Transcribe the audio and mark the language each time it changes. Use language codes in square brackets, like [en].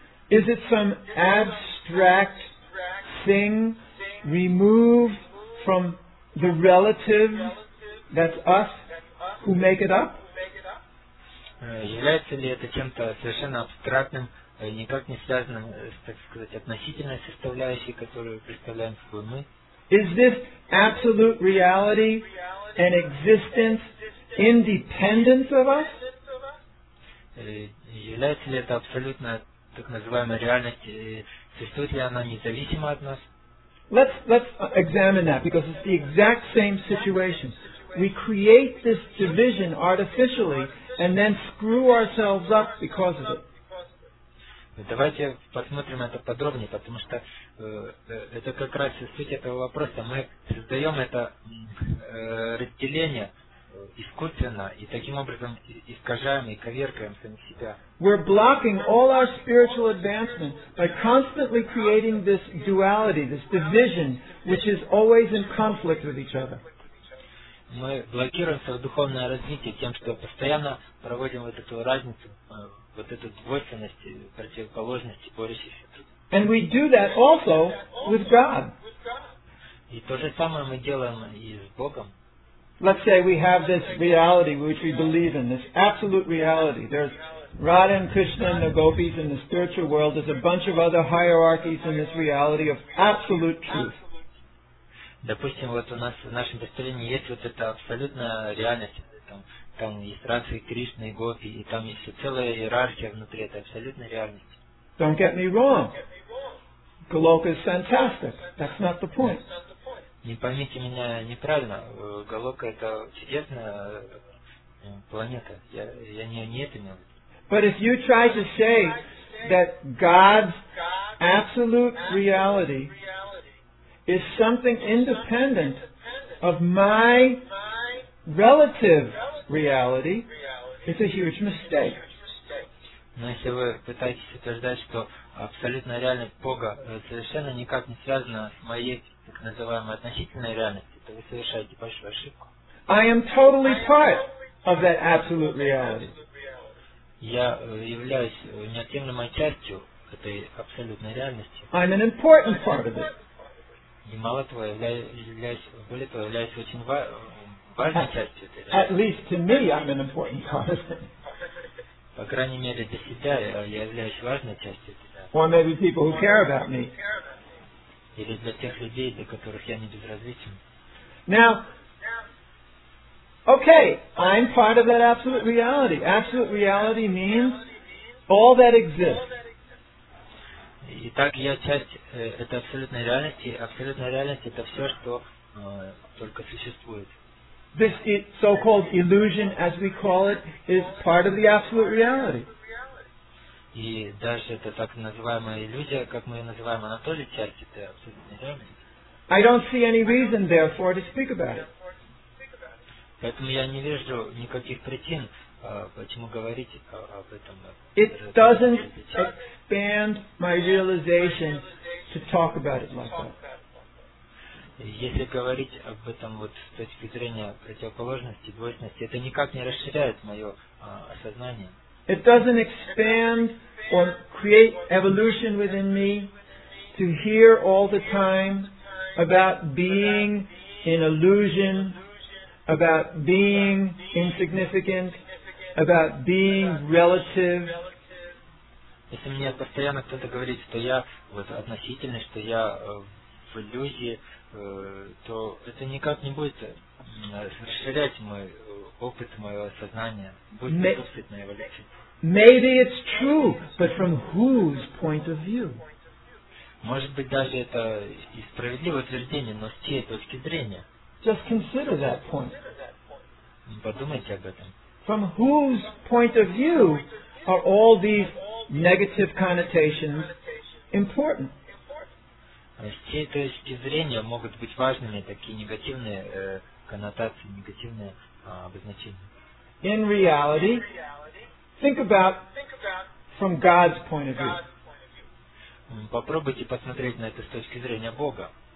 [en] Is it some abstract thing removed from the relative, that's us, who make it up? [ru] Является ли это чем-то совершенно абстрактным, никак не связанным с, так сказать, относительной составляющей, которую представляем собой мы? [en] Is this absolute reality an existence independent of us? [ru] Является ли это абсолютная, так называемая, реальность, существует ли она независимо от нас? [en] Let's examine that, because it's the exact same situation. We create this division artificially and then screw ourselves up because of it. [ru] Давайте посмотрим это подробнее, потому что это как раз суть этого вопроса. Мы создаем это разделение искусственно и таким образом искажаем и коверкаем сами себя. [en] We're blocking all our spiritual advancement by constantly creating this duality, this division, which is always in conflict with each other. [ru] Мы блокируем свое духовное развитие тем, что постоянно проводим вот эту разницу, вот эту двойственность, противоположность, борющиеся. [en] And we do that also with God. [ru] И то же самое мы делаем и с Богом. [en] Let's say we have this reality which we believe in, this absolute reality. There's Radha and Krishna and the gopis in the spiritual world. There's a bunch of other hierarchies in this reality of absolute truth. [ru] Допустим, вот у нас в нашем представлении есть вот эта абсолютная реальность. Там есть разные Кришны и гопи, и там есть целая иерархия внутри этой абсолютной реальности. [en] Don't get me wrong. Галока is fantastic. That's not the point. [ru] Не поймите меня неправильно. Галока — это чудесная планета. Я не это имел. [en] But if you try to say that God's absolute reality is something independent of my relative reality, it's a huge mistake. [ru] Но если вы пытаетесь утверждать, что абсолютная реальность Бога совершенно никак не связана с моей так называемой относительной реальностью, то вы совершаете большую ошибку. [en] I am totally part of that absolute reality. [ru] Я являюсь неотъемлемой частью этой абсолютной реальности. [en] I'm an important part of it. [ru] И мало того, являюсь очень важной частью этой реальности. [en] At least to me, I'm an important part of it. [ru] По крайней мере, для себя я являюсь важной частью этой реальности. [en] Or maybe people who care about me. [ru] Или для тех людей, для которых я не безразличен. [en] Now, okay, I'm part of that absolute reality. Absolute reality means all that exists. [ru] Итак, я часть этой абсолютной реальности. Абсолютная реальность — это все, что только существует. [en] This so-called illusion, as we call it, is part of the absolute reality. [ru] И даже эта так называемая иллюзия, как мы ее называем, она тоже часть этой абсолютной реальности. [en] I don't see any reason, therefore, to speak about it. [ru] Поэтому я не вижу никаких причин, почему говорить об этом. [en] It doesn't expand my realization to talk about it like that. [ru] Если говорить об этом вот с точки зрения противоположности, двойственности, это никак не расширяет мое осознание. [en] It doesn't expand or create evolution within me to hear all the time about being in illusion, about being insignificant, about being relative. [ru] Если мне постоянно кто-то говорит, что я вот относительный, что я в иллюзии, то это никак не будет расширять мой опыт, мое сознание, будет способствовать моей эволюции. [en] Maybe it's true, but from whose point of view? [ru] Может быть, даже это и справедливое утверждение, но с чьей точки зрения? [en] Just consider that point. [ru] Подумайте об этом. [en] From whose point of view are all these negative connotations important? [ru] С чьей точки зрения могут быть важными такие негативные коннотации, негативные обозначения? [en] In reality, think about from God's point of view. [ru] Попробуйте посмотреть на это с точки зрения Бога.